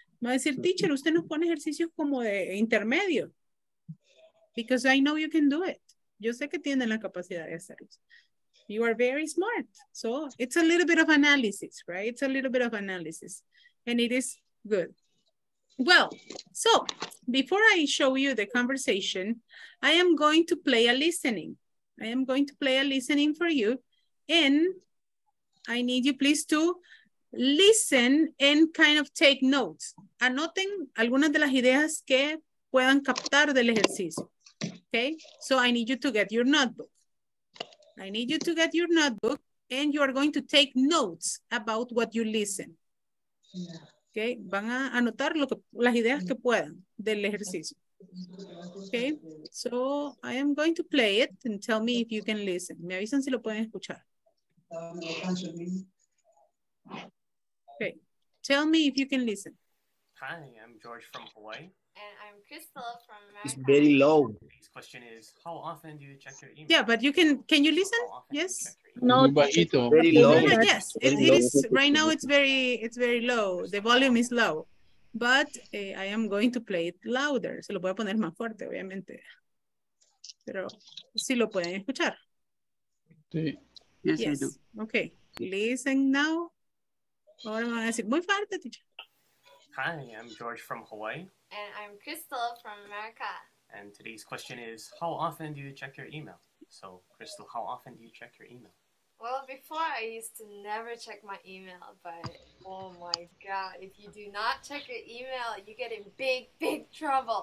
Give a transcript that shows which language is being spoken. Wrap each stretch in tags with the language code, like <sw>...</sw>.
<es>Me va a decir, teacher, usted nos pone ejercicios como de intermedio.</es> <en>Because I know you can do it.</en> <es>Yo sé que tienen la capacidad de hacerlo.</es> <en>You are very smart. So it's a little bit of analysis, right? It's a little bit of analysis. And it is good. Well, so before I show you the conversation, I am going to play a listening. I am going to play a listening for you. And I need you please to listen and kind of take notes.</en> <es>Anoten algunas de las ideas que puedan captar del ejercicio.</es> <en>Okay, so I need you to get your notebook. I need you to get your notebook and you are going to take notes about what you listen.</en> <es>Okay, van a anotar las ideas que puedan del ejercicio.</es> <en>Okay, so I am going to play it and tell me if you can listen.</en> <es>Me avisan si lo pueden escuchar.</es> <en>Okay, tell me if you can listen. Hi, I'm George from Hawaii. And I'm Crystal from America. It's very low. This question is, how often do you check your email? Yeah, but you can you listen? Yes. No, very low. Yes, it is right now. It's very low. The volume is low, but I am going to play it louder.</en> <es>Se lo voy a poner más fuerte, obviamente. Pero sí lo pueden escuchar. Sí.</es> <en>Yes. Okay. Listen now.</en> <es>Ahora me van a decir muy fuerte, teacher.</es> <en>Hi, I'm George from Hawaii. And I'm Crystal from America. And today's question is, how often do you check your email? So, Crystal, how often do you check your email? Well, before I used to never check my email, but oh my god, if you do not check your email, you get in big, big trouble.</en>